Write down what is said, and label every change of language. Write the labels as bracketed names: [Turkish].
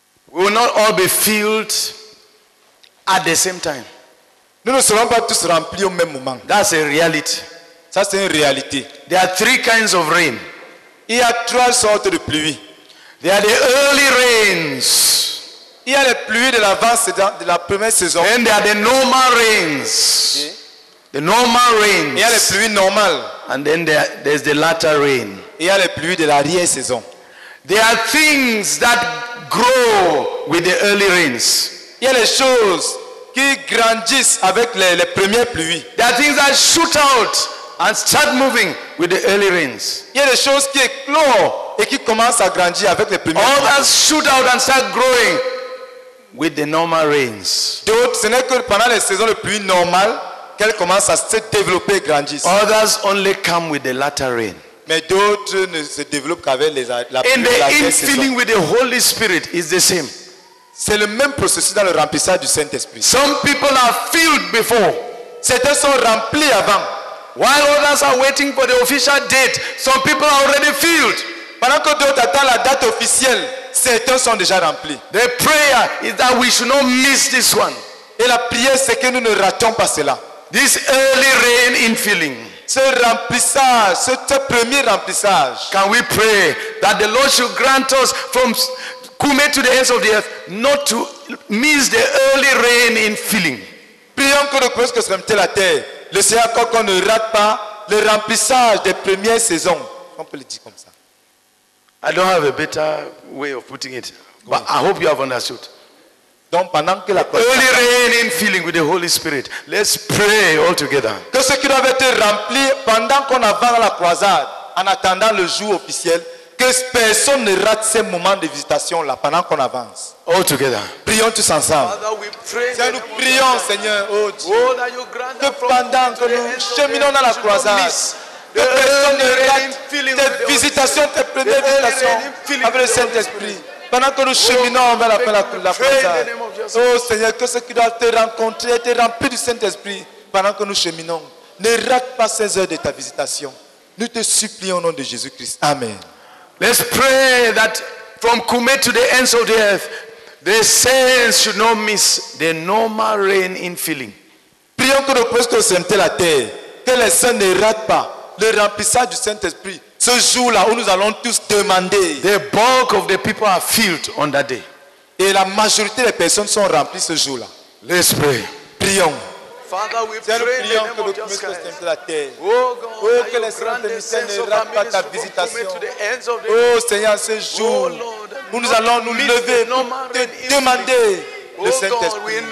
[English] We will not all be filled at the same time. [French] Nous ne serons pas tous remplis au même moment. [English] That's a reality. [French] Ça, c'est une réalité. [English] There are three kinds of rain. [French] Il y a trois sortes de pluie. [English] There are the early rains. [French] Il y a les pluies de l'avance de la première saison. [English] And there are the normal rains. The normal rains. [French] Il y a les pluies normales. [English] And then there's the latter rain. [French] Il y a les pluies de l'arrière saison. [English] There are things that grow with the early rains. [French] Il y a des choses qui grandissent avec les premières pluies. [English] There are things that shoot out and start moving with the early rains. [French] Il y a des choses qui éclosent et qui commencent à grandir avec les premières pluies. [English] Others shoot out and start growing with the normal rains. [French] D'autres, ce n'est que pendant les saisons de pluie normales qu'elles commencent à se développer et grandir. [English] Others only come with the latter rain. [French] Mais d'autres ne se développent qu'avec la pluie de la terre. [English] And the infilling with the Holy Spirit is the same. [French] C'est le même processus dans le remplissage du Saint-Esprit. [English] Some people are filled before. [French] Certains sont remplis avant. [English] While others are waiting for the official date, some people are already filled. [French] Pendant que d'autres attendent la date officielle, certains sont déjà remplis. [English] The prayer is that we should not miss this one. [French] Et la prière, c'est que nous ne ratons pas cela. [English] This early rain infilling. [French] Ce remplissage, ce premier remplissage. [English] Can we pray that the Lord should grant us from Kume to the ends of the earth not to miss the early rain in filling? [French] Prions que le Christ soit remplit la terre. Le Seigneur accorde qu'on ne rate pas le remplissage des premières saisons. On peut le dire comme ça. [English] I don't have a better way of putting it, but I hope you have understood. Early rain in filling with the Holy Spirit. Let's pray all together. [French] Que ceux qui doivent être remplis pendant qu'on avance la croisade, en attendant le jour officiel, que personne ne rate ces moments de visitation là pendant qu'on avance. [English] All together. [French] Prions tous ensemble. Seigneur, nous prions, Seigneur, oh Dieu, que pendant que nous cheminons dans la croisade, que personne ne rate tes visitations, tes premières visitations avec le Saint-Esprit. Pendant que nous cheminons vers la croisade, oh Seigneur, que ceux qui doivent te rencontrer aient été remplis du Saint-Esprit pendant que nous cheminons. Ne rate pas ces heures de ta visitation. Nous te supplions au nom de Jésus-Christ. Amen. [English] Let's pray that from Kume to the ends of the earth, the saints should not miss the normal rain in filling. [French] Prions que nos postes soient la terre, que les saints ne ratent pas le remplissage du Saint-Esprit. Ce jour-là où nous allons tous demander. [English] The bulk of the people are filled on that day. [French] Et la majorité des personnes sont remplies ce jour-là. [English] Let's pray. [French] Prions. [English] Father, we pray in the name of Jesus Christ. [French] Oh God, que le Saint-Esprit ne rate pas ta visitation. Oh Seigneur, ce jour où nous allons nous lever pour te demander le Saint-Esprit.